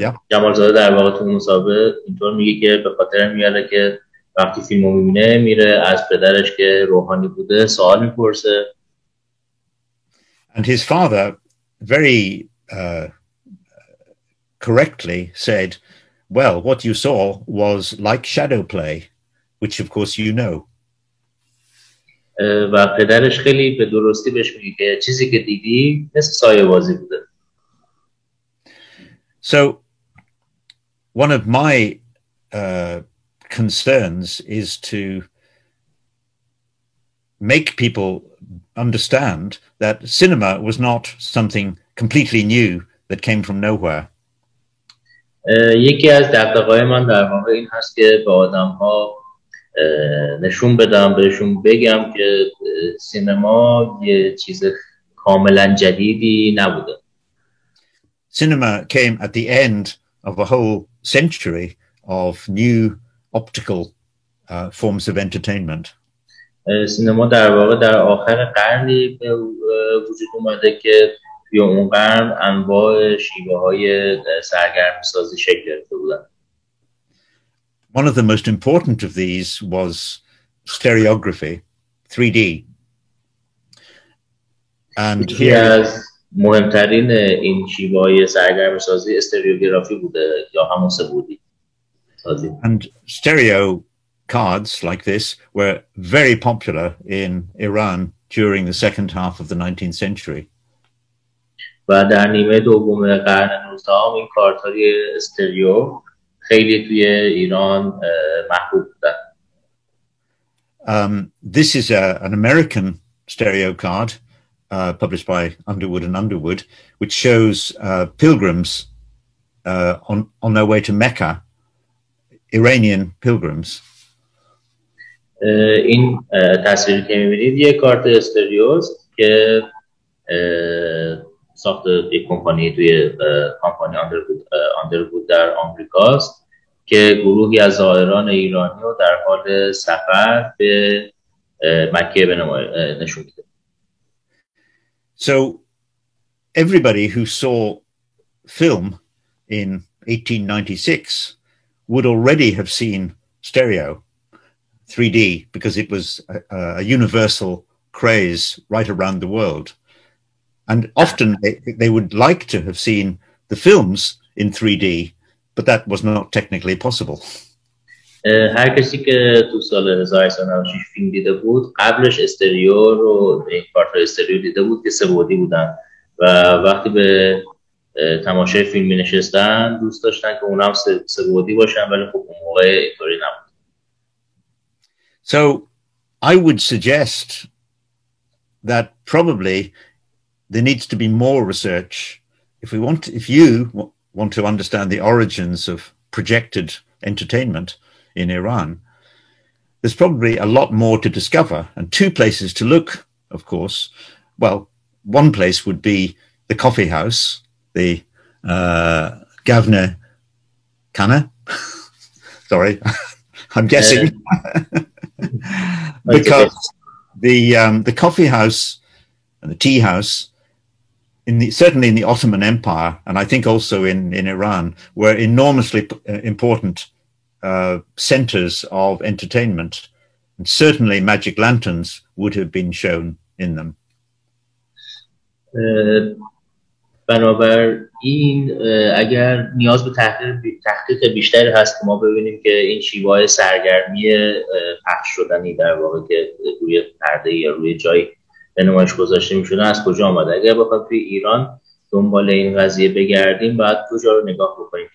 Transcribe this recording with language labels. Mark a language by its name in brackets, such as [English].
[Persian] جمالزاده در واقع تو مصاحبه اینطور میگه که به خاطر میاره که وقتی فیلمو میبینه میره از پدرش که روحانی بوده سوال میپرسه. [English] And his father very correctly said, well, what you saw was like shadow play, which of course you know. [Persian] و پدرش خیلی به درستی بهش میگه که چیزی که دیدی مثل سایه بازی بوده. [English] So one of my concerns is to make people understand that cinema was not something completely new that came from nowhere. [Persian] یکی از دغدغه‌های من در واقع این هست که به آدم‌ها نشون بدم، بهشون بگم که سینما یه چیز کاملا جدیدی نبوده. [English] Cinema came at the end of a whole century of new optical forms of entertainment. [Persian] سینما در واقع در آخر قرنی به وجود اومده که یه اون قرن انواع شیوه های سرگرم سازی شکل گرفته بودن. [English] One of the most important of these was stereography, 3D. And here is [Persian] مهمترین این شیوه‌های سرگرم سازی استریوگرافی بوده یا همون سبودی سازی. [English] And stereo cards like this were very popular in Iran during the second half of the 19th century. [Persian] و در نیمه دوم قرن 19 این کارت‌های استریو خیلی توی ایران محبوب بودن. [English] This is an American stereo card published by Underwood and Underwood, which shows pilgrims on their way to Mecca, Iranian pilgrims. [Persian] این تصویر که می‌بینید یه کارت استریو است که ساخت یک کمپانی توی کمپانی Underwood در آمریکا است که گروهی از زائران ایرانی رو در حال سفر به مکه نشون میده. [English] So everybody who saw film in 1896 would already have seen stereo 3D because it was a universal craze right around the world. And often they would like to have seen the films in 3D, but that was not technically possible. [Persian] هر کسی که تو سال 1996 فیلم دیده بود قبلش استریو رو این پارت استریو دیده بود که سه‌بعدی بودن و وقتی به تماشای فیلم می نشستن دوست داشتن که اونم سه‌بعدی باشن، ولی خب اون موقع اینطوری نبود. [English] So I would suggest that probably there needs to be more research if you want to understand the origins of projected entertainment in Iran. There's probably a lot more to discover, and two places to look, of course. Well, one place would be the coffee house, the Gavne Khane. Sorry, I'm guessing. Because the coffee house and the tea house, certainly in the Ottoman Empire, and I think also in Iran, were enormously important centers of entertainment, and certainly magic lanterns would have been shown in them. [Persian] بنابر این اگر نیاز به تحقیق بیشتری هست که ما ببینیم که این شیوه‌های سرگرمی پخش شدنی در واقع که روی پرده یا روی جای به نمایش گذاشته می شدن از کجا آمده، اگر بخواد توی ایران دنبال این قضیه بگردیم باید کجا رو نگاه بکنیم.